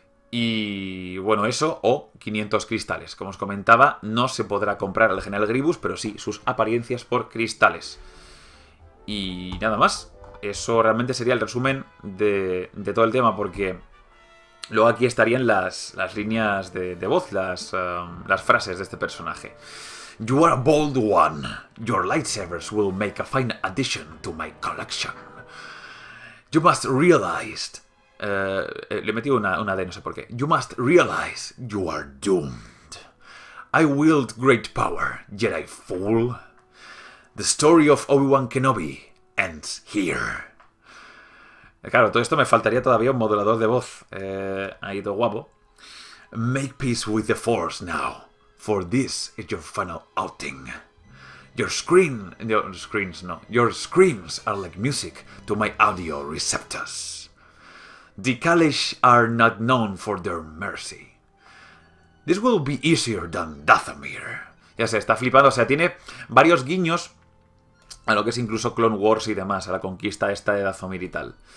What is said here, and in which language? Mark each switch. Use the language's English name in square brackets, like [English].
[Spanish] Y bueno, eso o 500 cristales. Como os comentaba, no se podrá comprar al general Grievous, pero sí sus apariencias por cristales. Y nada más. Eso realmente sería el resumen de todo el tema, porque luego aquí estarían las líneas de voz, las frases de este personaje. [English] You are a bold one. Your lightsabers will make a fine addition to my collection. You must realize... [Spanish] le he metido una D, no sé por qué. [English] You must realize you are doomed. I wield great power, Jedi fool. The story of Obi-Wan Kenobi ends here. [Spanish] Claro, todo esto me faltaría todavía un modulador de voz. Ha ido guapo. [English] Make peace with the Force now, for this is your final outing. Your screams are like music to my audio receptors. The Kalish are not known for their mercy. This will be easier than Dathomir. [Spanish] Ya sé, está flipando. O sea, tiene varios guiños a lo que es incluso Clone Wars y demás, a la conquista esta de Dathomir y tal.